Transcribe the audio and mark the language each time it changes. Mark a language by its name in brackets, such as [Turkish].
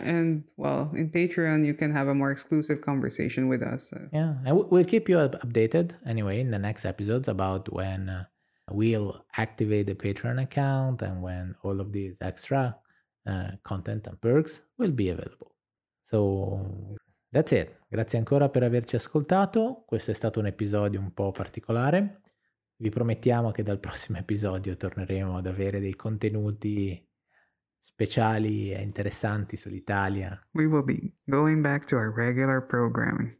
[English] And well, in Patreon, you can have a more exclusive conversation with us. So. Yeah. And we'll keep you updated anyway in the next episodes about when we'll activate the Patreon account and when all of these extra content and perks will be available. So that's it. [Italian] Grazie ancora per averci ascoltato. Questo è stato un episodio un po' particolare. Vi promettiamo che dal prossimo episodio torneremo ad avere dei contenuti speciali e interessanti sull'Italia. [English] We will be going back to our regular programming.